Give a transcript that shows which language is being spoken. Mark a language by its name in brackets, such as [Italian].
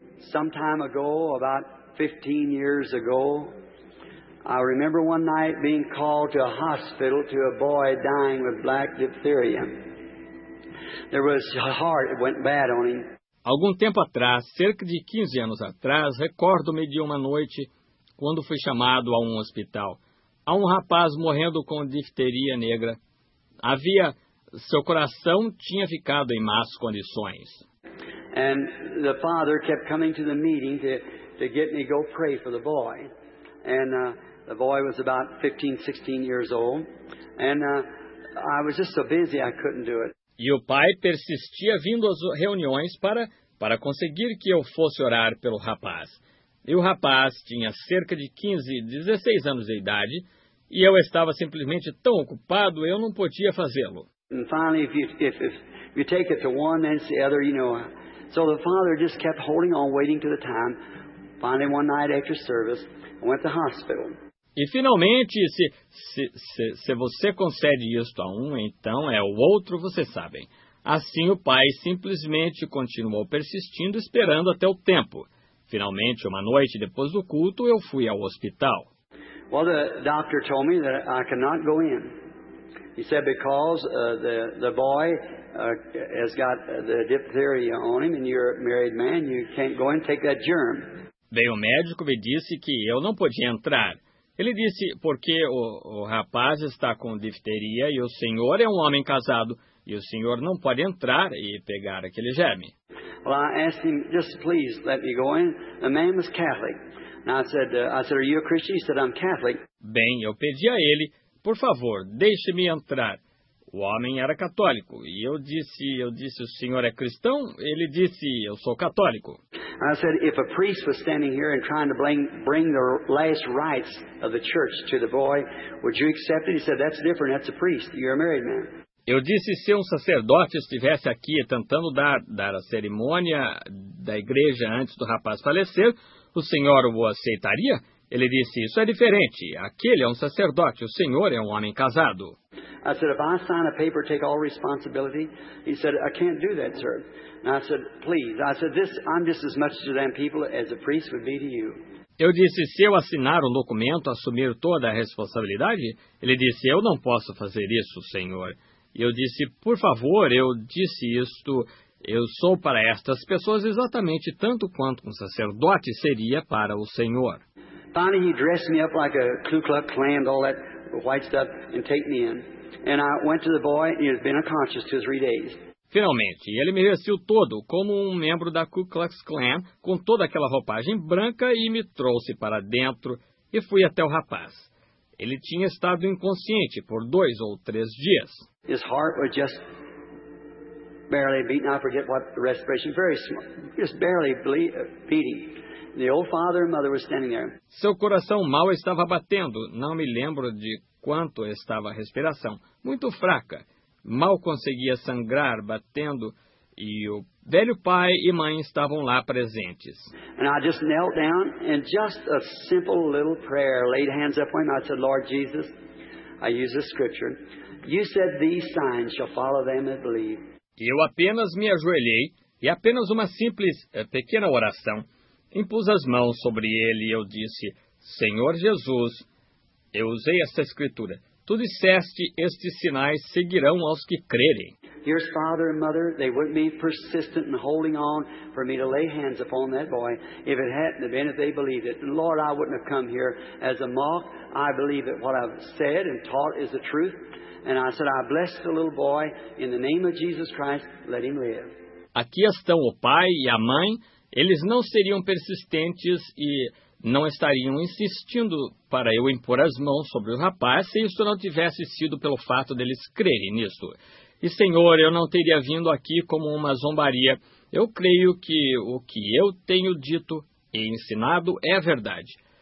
[English] Some time ago, about 15 years ago, I remember one night being called to a hospital to a boy dying with black diphtheria. There was a heart, it went bad on him. [Portuguese] Algum tempo atrás, cerca de 15 anos atrás, recordo-me de uma noite quando fui chamado a um hospital. Há um rapaz morrendo com difteria negra. Havia, seu coração tinha ficado em más condições. [English] And the father kept coming to the meeting to get me go pray for the boy. And the boy was about 15, 16 years old. And I was just so busy I couldn't do it. [Portuguese] E o pai persistia vindo às reuniões para conseguir que eu fosse orar pelo rapaz. E o rapaz tinha cerca de 15, 16 anos de idade. E eu estava simplesmente tão ocupado, eu não podia fazê-lo. [English] And finally, if you take it to one and the other, you know. So the father just kept holding on, waiting to the time. Finally, one night after service, I went to the hospital. [Portuguese] E finalmente, se você concede isto a um, então é o outro, vocês sabem. Assim, o pai simplesmente continuou persistindo, esperando até o tempo. Finalmente, uma noite depois do culto, eu fui ao hospital. [English] Well, the doctor told me that I cannot go in. He said because the boy has got the diphtheria on him, and you're a married man, you can't go and take that germ. [Portuguese] Bem, o médico me disse que eu não podia entrar. Ele disse porque o rapaz está com difteria e o senhor é um homem casado e o senhor não pode entrar e pegar aquele germe. [English] Well, I asked him, just please let me go in. The man was Catholic. And I said, are you a Christian? He said, I'm Catholic. [Portuguese] Bem, eu pedi a ele, por favor, deixe-me entrar. O homem era católico. E eu disse, o senhor é cristão? Ele disse, eu sou católico. [English] I said, if a priest was standing here and trying to bring the last rites of the church to the boy, would you accept it? He said, that's different. That's a priest. You're a married man. [Portuguese] Eu disse, se um sacerdote estivesse aqui tentando dar a cerimônia da igreja antes do rapaz falecer, o senhor o aceitaria? Ele disse, isso é diferente. Aquele é um sacerdote. O senhor é um homem casado. [English] I said, if I sign a paper, take all responsibility. He said, I can't do that, sir. And I said, please. I said, this, I'm just as much to them people as a priest would be to you. [Portuguese] Eu disse, se eu assinar um documento, assumir toda a responsabilidade? Ele disse, eu não posso fazer isso, senhor. E eu disse, por favor, eu disse isto, eu sou para estas pessoas exatamente tanto quanto um sacerdote seria para o senhor. [English] Finally, he dressed me up like a Ku Klux Klan, all that white stuff, and take me in. And I went to the boy, and he had been unconscious 2 or 3 days. [Portuguese] Finalmente, ele me vestiu todo como um membro da Ku Klux Klan, com toda aquela roupagem branca, e me trouxe para dentro, e fui até o rapaz. Ele tinha estado inconsciente por 2 ou 3 dias. [English] His heart was just barely beating. I forget what the respiration, very small, just barely beating. The old father and mother were standing there. [Portuguese] Seu coração mal estava batendo. Não me lembro de quanto estava a respiração. Muito fraca. Mal conseguia sangrar, batendo, e o velho pai e mãe estavam lá presentes. [English] And I just knelt down and just a simple little prayer, laid hands up on him. I said, Lord Jesus, I use the scripture. You said these signs shall follow them that believe. [Portuguese] Eu apenas me ajoelhei e apenas uma simples pequena oração. Impus as mãos sobre ele e eu disse, Senhor Jesus, eu usei essa escritura. Tu disseste, estes sinais seguirão aos que crerem. [English] Your father and mother, they wouldn't be persistent in holding on for me to lay hands upon that boy if it hadn't been if they believed it. Lord, I wouldn't have come here as a mock. I believe that what I've said and taught is the truth. And I said, I bless the little boy in the name of Jesus Christ. Let him live. [Portuguese] Aqui estão o pai e a mãe. Eles não seriam persistentes e não estariam insistindo para eu impor as mãos sobre o rapaz se isso não tivesse sido pelo fato deles crerem nisso. E, Senhor, eu não teria vindo aqui como uma zombaria. Eu creio que o que eu tenho dito e ensinado é a verdade.